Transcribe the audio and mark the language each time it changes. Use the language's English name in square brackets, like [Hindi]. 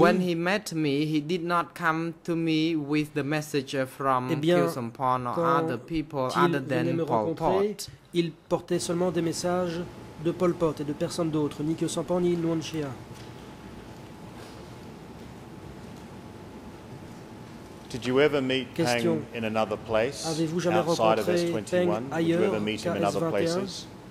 [English] when he met me, he did not come to me with the message from Kyusumpon or other people other than Pol Pot. [French] Il portait seulement des messages de Pol Pot et de personne d'autre, ni Kyusumpon ni Nguyen Chia. [English] Did you ever meet Pang in another place [French] avez-vous jamais [English] outside [French] rencontré [English] of S21? Did you ever meet him in other places?